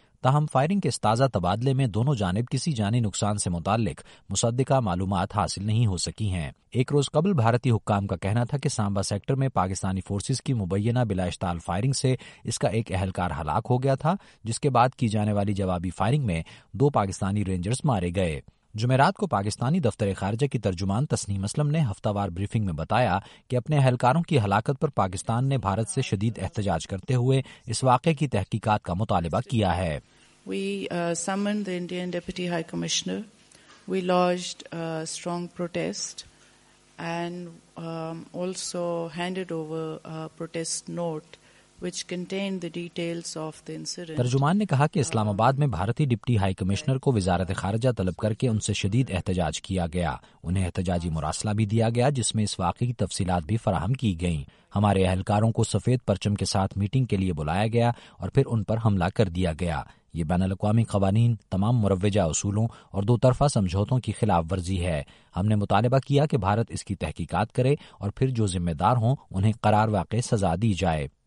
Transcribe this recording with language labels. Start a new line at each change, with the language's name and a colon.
Urdu: تاہم فائرنگ کے اس تازہ تبادلے میں دونوں جانب کسی جانی نقصان سے متعلق مصدقہ معلومات حاصل نہیں ہو سکی ہیں۔ ایک روز قبل بھارتی حکام کا کہنا تھا کہ سامبا سیکٹر میں پاکستانی فورسز کی مبینہ بلا اشتعال فائرنگ سے اس کا ایک اہلکار ہلاک ہو گیا تھا، جس کے بعد کی جانے والی جوابی فائرنگ میں دو پاکستانی رینجرز مارے گئے۔ جمعرات کو پاکستانی دفتر خارجہ کی ترجمان تسنیم اسلم نے ہفتہ وار بریفنگ میں بتایا کہ اپنے اہلکاروں کی ہلاکت پر پاکستان نے بھارت سے شدید احتجاج کرتے ہوئے اس واقعے کی تحقیقات کا مطالبہ کیا ہے۔
English: We summoned the Indian Deputy High Commissioner. We lodged a strong protest and also handed over a protest note which contained the details of the incident.
Urdu: ترجمان نے کہا کہ اسلام آباد میں بھارتی ڈپٹی ہائی کمشنر کو وزارت خارجہ طلب کر کے ان سے شدید احتجاج کیا گیا۔ انہیں احتجاجی مراسلہ بھی دیا گیا جس میں اس واقعے کی تفصیلات بھی فراہم کی گئیں۔ ہمارے اہلکاروں کو سفید پرچم کے ساتھ میٹنگ کے لیے بلایا گیا اور پھر ان پر حملہ کر دیا گیا۔ یہ بین الاقوامی قوانین، تمام مروجہ اصولوں اور دو طرفہ سمجھوتوں کی خلاف ورزی ہے۔ ہم نے مطالبہ کیا کہ بھارت اس کی تحقیقات کرے اور پھر جو ذمہ دار ہوں انہیں قرار واقع سزا دی جائے۔